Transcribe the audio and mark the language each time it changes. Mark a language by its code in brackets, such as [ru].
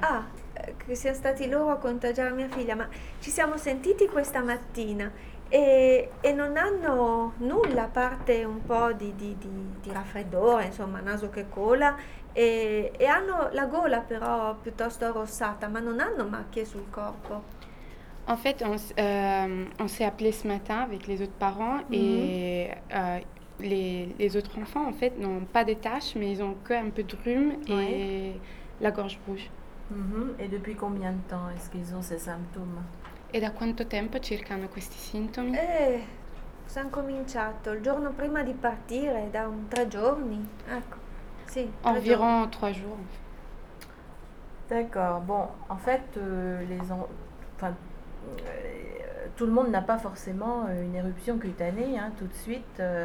[it] Ah, che siano stati loro a contagiare mia figlia, ma ci siamo sentiti questa mattina e non hanno nulla a parte un po' di raffreddore, insomma, naso che cola, e hanno la gola però piuttosto arrossata, ma non hanno macchie sul corpo. [fr] En fait, on s'est appelé ce matin avec les autres parents et les autres enfants, en fait, n'ont pas des taches, mais ils ont que un peu de rhume Ouais. et la gorge rouge. Et depuis combien de temps est-ce qu'ils ont ces symptômes? [it] Et da quanto tempo circa hanno questi sintomi? Sono cominciato il giorno prima di partire, da 3 giorni. Ecco, sì, 3 giorni. [fr] Environ 3 jours. D'accord. Bon, en fait, tout le monde n'a pas forcément une éruption cutanée hein, tout de suite.